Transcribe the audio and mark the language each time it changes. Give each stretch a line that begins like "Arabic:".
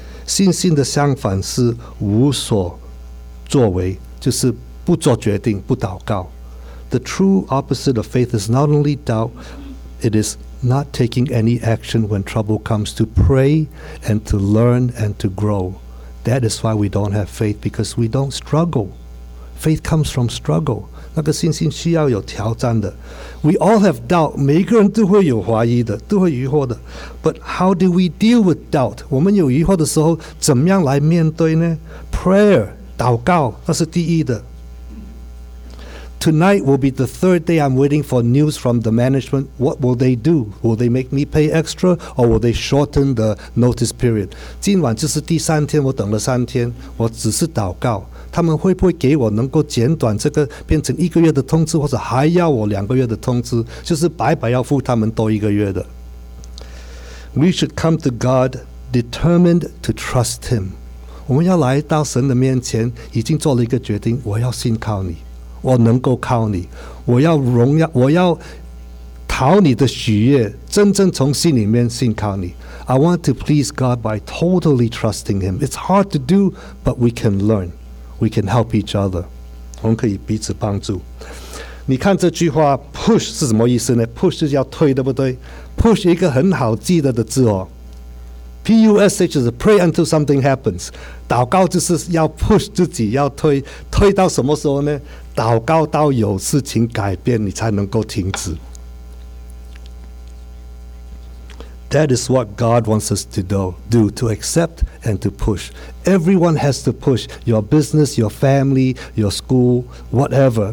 Chinese: 信心的相反是无所作为，就是不做决定，不祷告。
English: The true opposite of faith is not only doubt, it is not taking any action when trouble comes, to pray and to learn and to grow. That is why we don't have faith, because we don't struggle. Faith comes from struggle.
Chinese: 那个信心需要有挑战的。
English: We all have doubt,
Chinese: 每个人都会有怀疑的，都会疑惑的。
English: But how do we deal with doubt?
Chinese: 我们有疑惑的时候，怎么样来面对呢？ Prayer, 祷告，那是第一的。
English: Tonight will be the third day I'm waiting for news from the management. What will they do? Will they make me pay extra or will they shorten the notice period?
Chinese: 今晚就是第三天，我等了三天，我只是祷告，他们会不会给我能够减短这个变成一个月的通知，或者还要我两个月的通知，就是白白要付他们多一个月的。
English: We should come to God determined to trust him.
Chinese: 我们要来到神的面前，已经做了一个决定，我要信靠你，我能够靠你，我要荣耀，我要讨你的喜悦，真正从心里面信靠你。
English: I want to please God by totally trusting him. It's hard to do, but we can learn. We can help each other.
Chinese: 我们可以彼此帮助。你看这句话 push 是什么意思呢？ push 就是要推，对不对？push 一个很好记得的字哦， P-U-S-H 是
English: pray until something happens.
Chinese: 祷告就是要 push 自己，要推，推到什么时候呢？祷告到有事情改变，你才能够停止。
English: That is what God wants us to do, to accept and to push. Everyone has to push, your business, your family, your school, whatever.